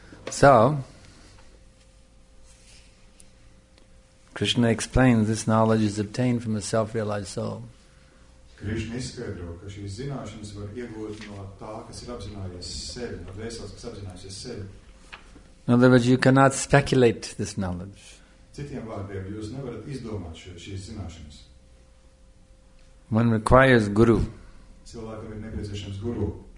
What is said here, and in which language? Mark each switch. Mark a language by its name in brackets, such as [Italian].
[English] So, Krishna explains this knowledge is obtained from a self-realized soul. [Latvian] Krishna izskaidro, ka šīs zināšanas var iegūt no tā, kas ir apzinājies sevi, no vēsels, kas apzinājies sevi. [English] In other words, you cannot speculate this knowledge. [Latvian] Citiem vārdiem, jūs nevarat izdomāt šīs zināšanas. [English] One requires guru. [Latvian] Cilvēkam ir nepieciešams guru.